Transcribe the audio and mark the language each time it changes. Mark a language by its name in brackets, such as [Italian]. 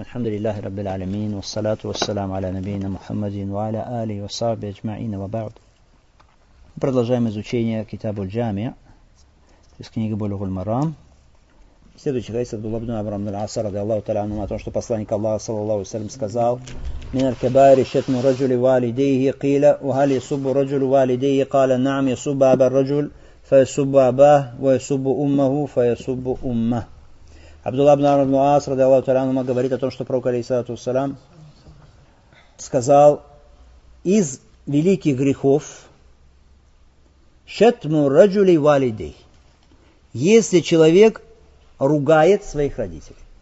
[Arabic] الحمد لله رب العالمين، والصلاة والسلام على نبينا محمد وعلى آله وصحبه أجمعين، وبعد. [Russian] Продолжаем изучение كتاب الجامع из книги بلوغ المرام. Следующий хадис от Абдулла ибн Амра ибн аль-Ас [Arabic] رضي الله تعالى عنه [Russian] о том, что посланник Аллаха [Arabic] صلى الله عليه وسلم [Russian] сказал: [Arabic] من الكبائر شتم رجل والديه، قيل وهل يسب رجل والديه؟ قال نعم، يسب أبا الرجل فيسب أباه، ويسب أمه فيسب أمه. [Russian] Абдулла ибн Амра ибн аль-Ас رضي الله تعالى عنه говорит о том, что пророк алейхиссалату вассалям сказал: из великих грехов [Arabic] شتم رجل والديه, [Russian] если человек ругает своих родителей.